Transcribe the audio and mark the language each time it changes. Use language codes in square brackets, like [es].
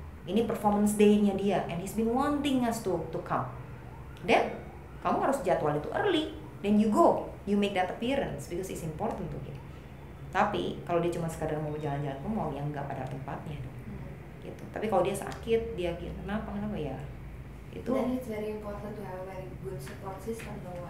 [id] Ini performance day-nya dia, [en] and he's been wanting us to come. Then, [id] kamu harus jadwal itu [en] early. Then you go, you make that appearance, because it's important to him. [id] Tapi, kalau dia cuma sekadar mau jalan-jalan ke mall, ya enggak pada tempatnya dong. Gitu. Tapi kalau dia sakit, dia kenapa-kenapa ya. Itu. [en] Then it's very important to have a very good support system though.